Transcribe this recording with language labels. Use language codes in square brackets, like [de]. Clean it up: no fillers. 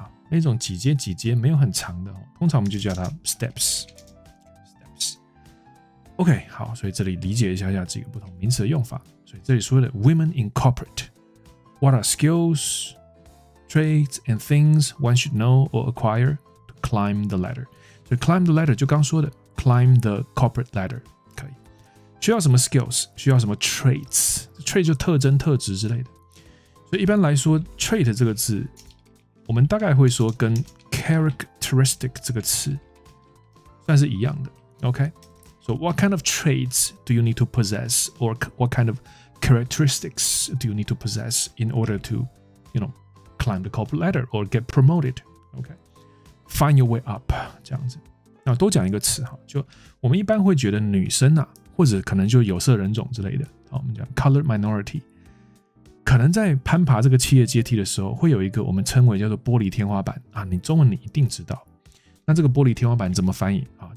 [zh] 那种几阶几阶没有很长的，通常我们就叫它 steps。 OK， 好，所以这里理解一下几个不同名词的用法。所以这里说的 [en] women in corporate， What are skills, traits and things one should know or acquire to climb the ladder？ [zh] 所以 [en] climb the ladder [zh] 就刚说的 [en] climb the corporate ladder， [zh] 需要什么 skills， 需要什么 traits 就特征特质之类的。所以一般来说 trait 这个字我们大概会说跟 characteristic 这个词算是一样的， OK。 [en] So what kind of traits do you need to possess or what kind of characteristics do you need to possess in order to climb the corporate ladder or get promoted， OK， find your way up [zh] 这样子。那多讲一个词，就我们一般会觉得女生啊，或者可能就有色人种之类的，我们讲 color minority， 可能在攀爬这个企业阶梯的时候会有一个我们称为叫做玻璃天花板啊，你中文你一定知道，那这个玻璃天花板怎么翻译啊？